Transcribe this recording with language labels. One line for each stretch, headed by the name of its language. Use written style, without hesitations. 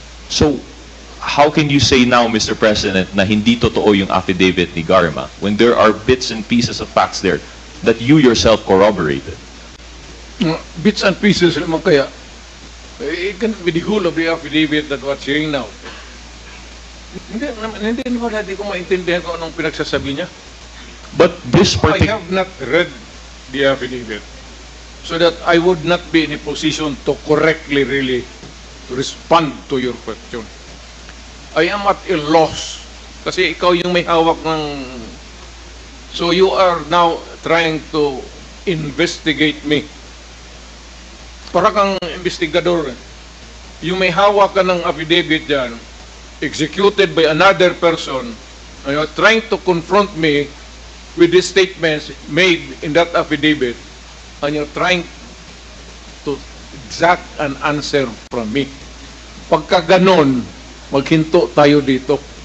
English: So, how can you say now, Mr. President,
Filipino: na hindi totoo yung affidavit ni Garma
English: when there are bits and pieces of facts there that you yourself corroborated? Bits and pieces naman kaya. It cannot be the whole of the affidavit that we're hearing now.
Filipino: Hindi ko maintindihan kung anong pinagsasabi niya.
English: But this particular... I have not read the affidavit so that I would not be in a position to correctly really respond to your question. I am at a loss
Filipino: kasi ikaw yung may hawak ng...
English: So you are now trying to investigate me.
Filipino: Para kang investigador,
English: you
Filipino: may hawak ka ng affidavit dyan,
English: executed by another person, and you're trying to confront me with the statements made in that affidavit, and you're trying to exact an answer from me.
Filipino: Pagka ganon, maghinto tayo dito.